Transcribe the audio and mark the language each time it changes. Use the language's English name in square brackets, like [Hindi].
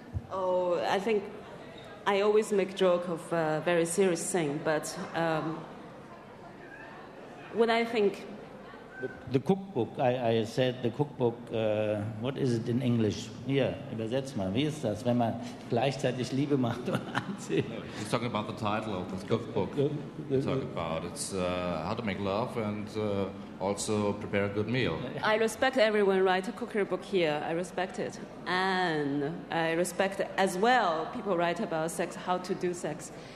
[English] Oh, I think I always make joke of a very serious thing, but when I think... The cookbook, I said the cookbook, what is it in English? [German] Hier, übersetz mal, wie ist das, wenn man gleichzeitig Liebe macht und anzieht? [English] He's talking about the title of this cookbook. It's how to make love and also prepare a good meal. I respect everyone write a cookery book here. I respect it. And I respect as well people write about sex, how to do sex.